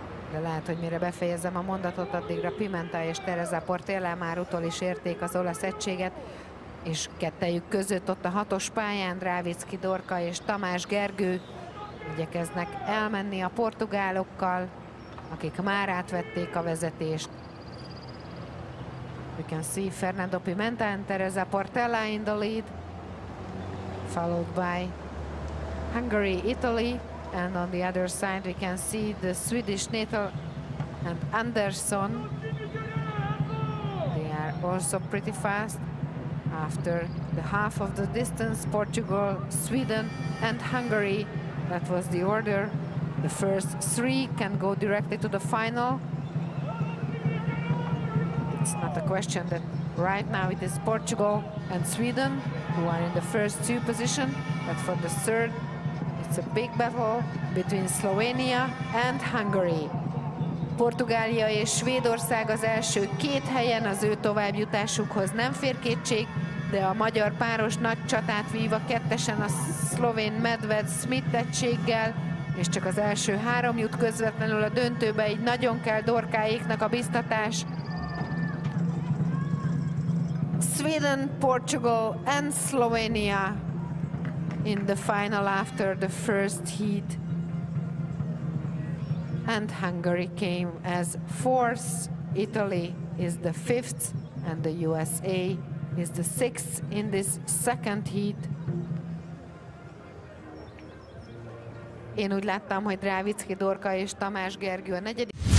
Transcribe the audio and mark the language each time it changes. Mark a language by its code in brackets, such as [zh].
[hu] De lehet, hogy mire befejezem a mondatot, addigra Pimenta és Teresa Portela már utol is érték az olasz egységet. És kettejük között ott a hatos pályán Drávicki Dorka és Tamás Gergő igyekeznek elmenni a portugálokkal, akik már átvették a vezetést. [en] We can see Fernando Pimenta and Teresa Portela in the lead, followed by Hungary, Italy, and on the other side we can see the Swedish Nettel and Anderson. They are also pretty fast. After the half of the distance, Portugal, Sweden, and Hungary. That was the order. The first three can go directly to the final. It's not a question that right now it is Portugal and Sweden who are in the first two position, but for the third, it's a big battle between Slovenia and Hungary. [hu] Portugália és Svédország az első két helyen, az ő továbbjutásukhoz nem fér kétség, de a magyar páros nagy csatát vív a kettesen a szlovén Medved Smith egységgel, és csak az első három jut közvetlenül a döntőbe, így nagyon kell Dorkáéknak a biztatás. [en] Sweden, Portugal and Slovenia in the final after the first heat. And Hungary came as fourth, Italy is the fifth and the USA is the sixth in this second heat. [hu] Én úgy láttam, hogy Drávicki Dorka és Tamás Gergő a negyedik.